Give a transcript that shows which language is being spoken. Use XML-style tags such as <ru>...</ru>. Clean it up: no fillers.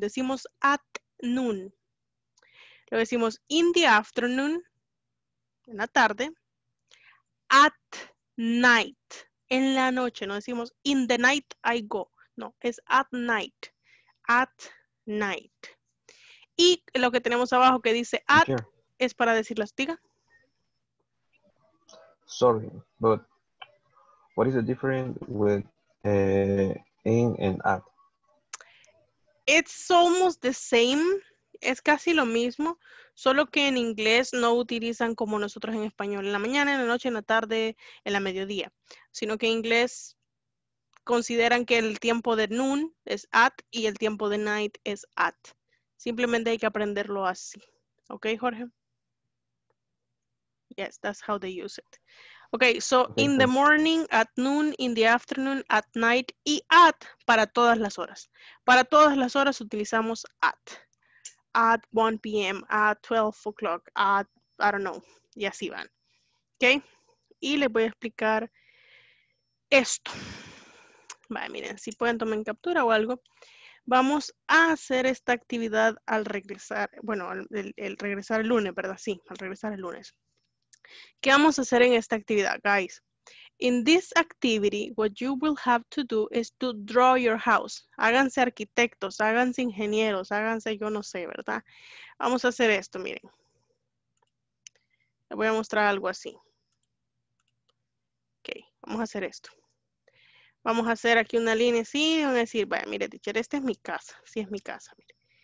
<es>Decimos</es> <en>at noon.</en> <es>Lo decimos</es> <en>in the afternoon,</en> <es>en la tarde.</es> <en>At night,</en> <es>en la noche. No decimos</es> <en>in the night I go.</en> <es>No, es</es> <en>at night. At night.</en> <es>Y lo que tenemos abajo que dice at es para decir las tigas.</es> <en>Sorry, but what is the difference with in and at? It's almost the same.</en> <es>Es casi lo mismo, solo que en inglés no utilizan como nosotros en español, en la mañana, en la noche, en la tarde, en la mediodía. Sino que en inglés consideran que el tiempo de noon es at y el tiempo de night es at. Simplemente hay que aprenderlo así. ¿Ok, Jorge?</es> <en>Yes, that's how they use it. Ok, so in the morning, at noon, in the afternoon, at night y at para todas las horas.</en> <es>Para todas las horas utilizamos at.</es> <en>At 1 p.m., at 12 o'clock, at, I don't know,</en> <es>y así van. ¿Ok? Y les voy a explicar esto. Vale, miren, si pueden tomar captura o algo. Vamos a hacer esta actividad al regresar, bueno, el regresar el lunes, ¿verdad? Sí, al regresar el lunes. ¿Qué vamos a hacer en esta actividad, guys?</es> <en>In this activity, what you will have to do is to draw your house.</en> <es>Háganse arquitectos, háganse ingenieros, háganse yo no sé, ¿verdad? Vamos a hacer esto, miren. Les voy a mostrar algo así. Ok, vamos a hacer esto. Vamos a hacer aquí una línea así, van a decir, vaya, mire, teacher, esta es mi casa. Sí, es mi casa, mire.</es>